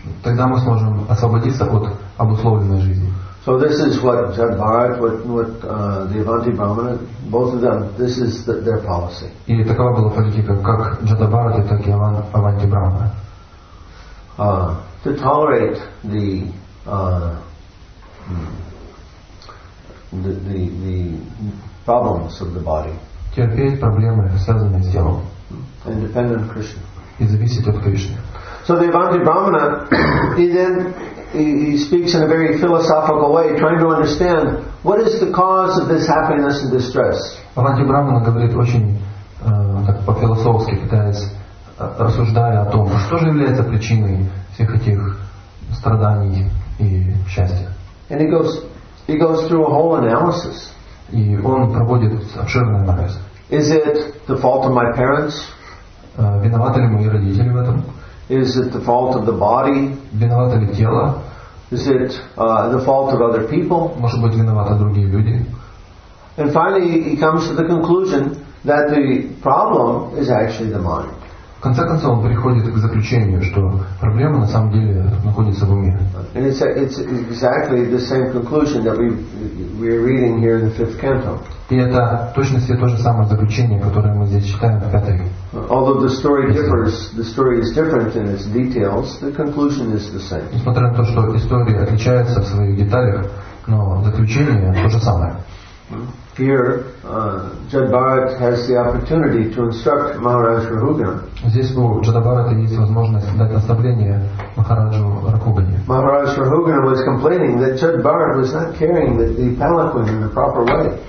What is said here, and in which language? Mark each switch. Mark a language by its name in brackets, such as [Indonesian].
[Russian] Тогда мы сможем освободиться от обусловленной жизни. [English] So this is what Jadbharat, what the Avanti Brahmana, both of them, this is their policy. [Russian] И такова была политика как Jadbharata, так и Avanti Brahmana. [English] To tolerate the problems of the body. [Russian] Терпеть проблемы, связанные с телом. [English] And depend on Krishna. [Russian] И зависеть от Кришны. [English] So the Avanti Brahmana, he speaks in a very philosophical way, trying to understand what is the cause of this happiness and distress. [Russian] Avanti Brahmana говорит очень так по-философски, пытаясь рассуждая о том, что же является причиной всех этих страданий и счастья. [English] And he goes through a whole analysis. [Russian] И он проводит обширный анализ. [English] Is it the fault of my parents? [Russian] Виноваты ли мои родители в этом? [English] Is it the fault of the body? [Russian] Виновато ли тело? [English] Is it the fault of other people? [Russian] Может быть, виноваты другие люди? [English] And finally, he comes to the conclusion that the problem is actually the mind. [Russian] В конце концов, он приходит к заключению, что проблема на самом деле находится в уме. [English] And it's exactly the same conclusion that we're reading here in the fifth canto. [Russian] И это точно то же самое заключение, которое мы здесь читаем в пятой. [English] Although the story differs, the story is different in its details, the conclusion is the same. [Russian] Несмотря на то, что история отличается в своих деталях, но заключение то же самое. [English] Here, Jada Bharat has the opportunity to instruct Maharaj Rahugan. [Russian] Здесь у Джада Бхарата есть возможность дать наставление Махараджу Рахугане. [English] Maharaj Rahugan was complaining that Jada Bharat was not carrying the palanquin in the proper way.